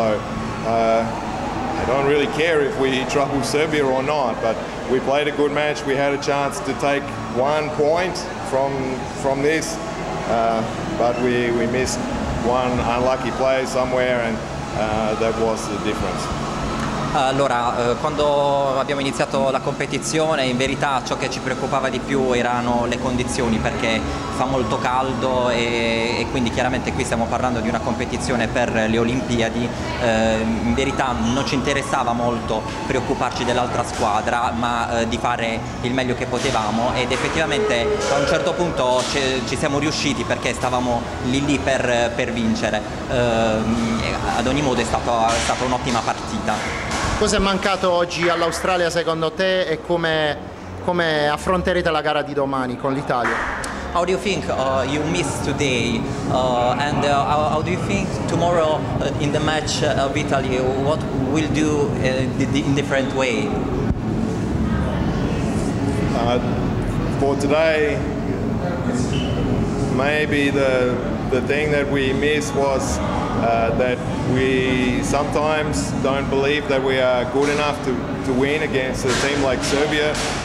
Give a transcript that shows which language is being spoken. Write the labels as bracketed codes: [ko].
[en] So I don't really care if we trouble Serbia or not, but we played a good match. We had a chance to take one point from this. But we missed one unlucky play somewhere and that was the difference. [it] Allora, quando abbiamo iniziato la competizione, in verità ciò che ci preoccupava di più erano le condizioni, perché fa molto caldo e quindi chiaramente qui stiamo parlando di una competizione per le Olimpiadi. In verità non ci interessava molto preoccuparci dell'altra squadra, ma di fare il meglio che potevamo, ed effettivamente a un certo punto ci siamo riusciti, perché stavamo lì per vincere. Ad ogni modo è stata un'ottima partita. Cosa è mancato oggi all'Australia secondo te, e come affronterete la gara di domani con l'Italia? [en] How do you think you missed today, and how do you think tomorrow in the match of Italy, what will do in different way? For today, maybe the thing that we missed was that we sometimes don't believe that we are good enough to win against a team like Serbia.